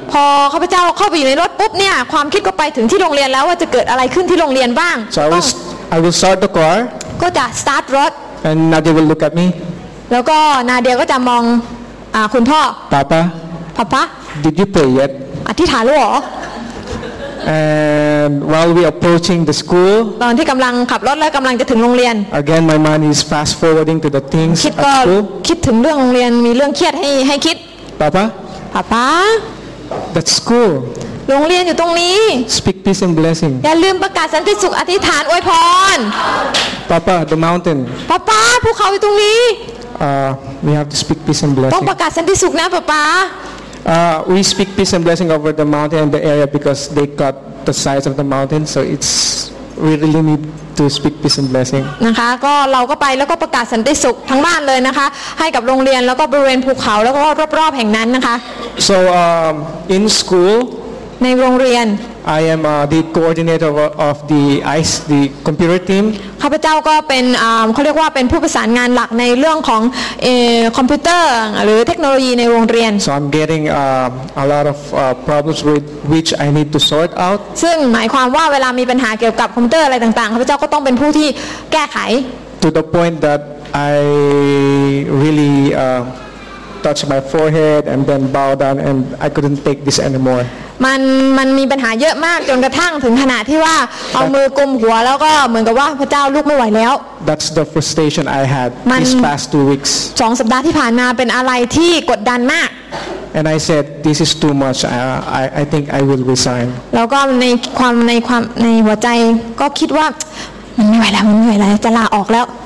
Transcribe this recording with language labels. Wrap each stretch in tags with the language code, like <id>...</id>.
<th>พอข้าพเจ้าเข้าไปอยู่ในรถปุ๊บเนี่ยความคิดก็ไปถึงที่โรงเรียนแล้วว่าจะเกิดอะไรขึ้นที่โรงเรียนบ้าง</th> <en>So I will start the car.</en> <th>ก็จะ start รถ</th> <en>And Nadia will look at me.</en> <th>แล้วก็นาเดียก็จะมองคุณพ่อ</th> <en>Papa. Papa. Did you pray yet?</en> <th>อธิษฐานหรอ</th> <en>And while we are approaching the school</en> <th>ตอนที่กำลังขับรถและกำลังจะถึงโรงเรียน</th> <en>Again my mind is fast forwarding to the things at school</en> <th>คิดถึงเรื่องโรงเรียนมีเรื่องเครียดให้คิด</th> <en>Papa Papa That school</en> <th>โรงเรียนอยู่ตรงนี้</th> <en>Speak peace and blessing</en> <th>อย่าลืมประกาศสันติสุขอธิษฐานอวยพร</th> <en>Papa the mountain</en> <th>Papa ภูเขาอยู่ตรงนี้</th> <en>we have to speak peace and blessing</en> <th>ต้องประกาศสันติสุขนะ Papa</th> <en>We speak peace and blessing over the mountain and the area because they got the size of the mountain, so it's we really need to speak peace and blessing.</en> <th>นะคะก็เราก็ไปแล้วก็ประกาศสันติสุขทั้งบ้านเลยนะคะให้กับโรงเรียนแล้วก็บริเวณภูเขาแล้วก็รอบๆแห่งนั้นนะคะ</th> <en>So in school,</en> <th>ในโรงเรียน</th> <en>I am the coordinator of the ICE, the computer team.</en> <th>ข้าพเจ้าก็เป็นเขาเรียกว่าเป็นผู้ประสานงานหลักในเรื่องของคอมพิวเตอร์หรือเทคโนโลยีในโรงเรียน</th> <en>So I'm getting a lot of problems with which I need to sort out.</en> <th>ซึ่งหมายความว่าเวลามีปัญหาเกี่ยวกับคอมพิวเตอร์อะไรต่างๆข้าพเจ้าก็ต้องเป็นผู้ที่แก้ไข</th> <en>To the point that I really touch my forehead and then bow down and I couldn't take this anymore.</en> <th>มันมีปัญหาเยอะมากจนกระทั่งถึงขนาดที่ว่าเอามือกุมหัวแล้วก็เหมือนกับว่าพระเจ้าลูกไม่ไหวแล้ว</th> <en>That's the frustration I had these past 2 weeks</en> <th>2 สัปดาห์ที่ผ่านมาเป็นอะไรที่กดดันมาก</th> <en>And I said this is too much I think I will resign</en> <th>แล้วก็ในความในหัวใจก็คิดว่ามันไม่ไหวแล้วจะลาออกแล้ว</th>